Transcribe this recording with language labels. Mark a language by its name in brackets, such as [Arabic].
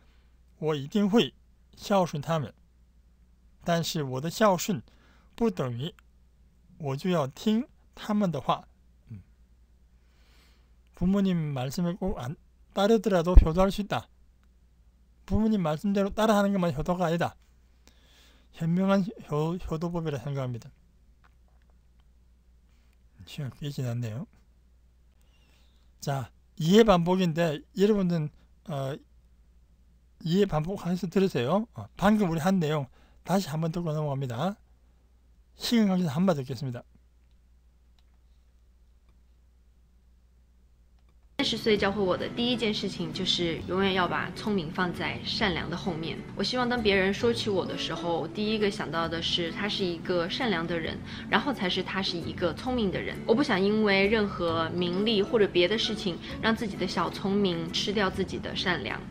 [Chinese] 对我自己不健康的，这样我表现出来的孝顺你是不健康的，所以我觉得我们可以尽量去跟父母沟通，告诉他们我们自己想做的事情。如果像他们一些意愿有所违背的话，我希望他们能够理解的是，我一定会孝顺他们。但是我的孝顺不等于我就要听他们的话. [Korean] 부모님 말씀을 꼭안 따르더라도 효도할 수 있다. 부모님 말씀대로 따라하는 것만 효도가 아니다. 현명한 효도법이라 생각합니다. 시간 꽤 지났네요. 자, 이해 반복인데 여러분은 이해 반복해서 들으세요. 방금 우리 한 내용 다시 한번 듣고 넘어갑니다. 시간 관계상 한번 듣겠습니다. [Chinese] 30岁教会我的第一件事情就是永远要把聪明放在善良的后面。我希望当别人说起我的时候，第一个想到的是他是一个善良的人，然后才是他是一个聪明的人。我不想因为任何名利或者别的事情让自己的小聪明吃掉自己的善良。